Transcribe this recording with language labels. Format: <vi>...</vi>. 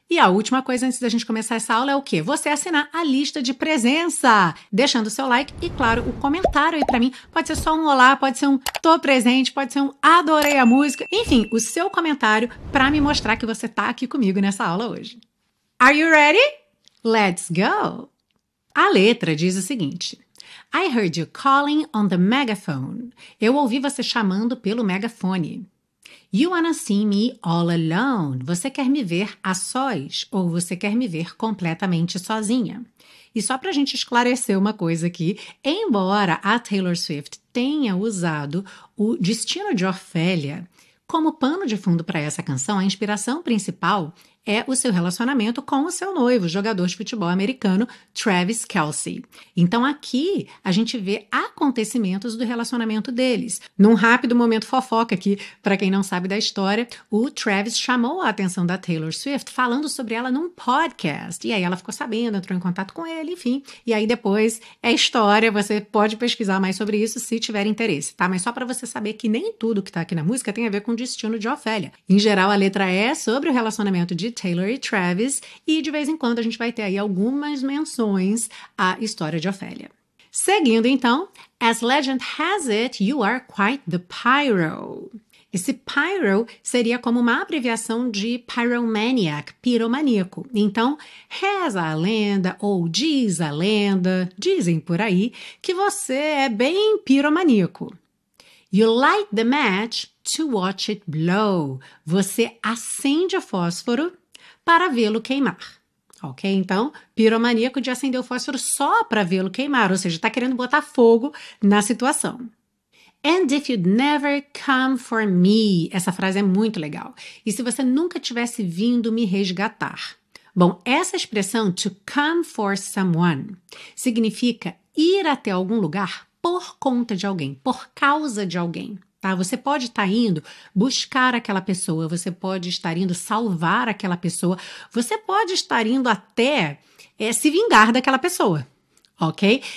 <pt>E a última coisa antes da gente começar essa aula é o quê? Você assinar a lista de presença, deixando seu like e, claro, o comentário aí pra mim. Pode ser só um olá, pode ser um tô presente, pode ser um adorei a música. Enfim, o seu comentário pra me mostrar que você tá aqui comigo nessa aula hoje.</pt> <en>Are you ready? Let's go!</en> <pt>A letra diz o seguinte.</pt> <en>I heard you calling on the megaphone.</en> <pt>Eu ouvi você chamando pelo megafone.</pt> <en>You wanna see me all alone?</en> <pt>Você quer me ver a sós ou você quer me ver completamente sozinha? E só para a gente esclarecer uma coisa aqui, embora a Taylor Swift tenha usado o destino de Ophelia como pano de fundo para essa canção, a inspiração principal é o seu relacionamento com o seu noivo, jogador de futebol americano, Travis Kelce. Então aqui a gente vê acontecimentos do relacionamento deles. Num rápido momento fofoca aqui, para quem não sabe da história, o Travis chamou a atenção da Taylor Swift falando sobre ela num podcast. E aí ela ficou sabendo, entrou em contato com ele, enfim. E aí depois é história, você pode pesquisar mais sobre isso se tiver interesse, tá? Mas só para você saber que nem tudo que tá aqui na música tem a ver com o destino de Ophelia. Em geral, a letra é sobre o relacionamento de Taylor e Travis, e de vez em quando a gente vai ter aí algumas menções à história de Ophelia. Seguindo então,</pt> <en>as legend has it, you are quite the pyro.</en> <pt>Esse pyro seria como uma abreviação de pyromaniac, piromaníaco. Então, reza a lenda ou diz a lenda, dizem por aí, que você é bem piromaníaco.</pt> <en>You light the match to watch it blow.</en> <pt>Você acende o fósforo para vê-lo queimar. Ok? Então, piromaníaco de acender o fósforo só para vê-lo queimar. Ou seja, está querendo botar fogo na situação.</pt> <en>And if you'd never come for me.</en> <pt>Essa frase é muito legal. E se você nunca tivesse vindo me resgatar? Bom, essa expressão,</pt> <en>to come for someone,</en> <pt>significa ir até algum lugar por conta de alguém, por causa de alguém, tá? Você pode estar indo buscar aquela pessoa, você pode estar indo salvar aquela pessoa, você pode estar indo até se vingar daquela pessoa. Ok?</pt>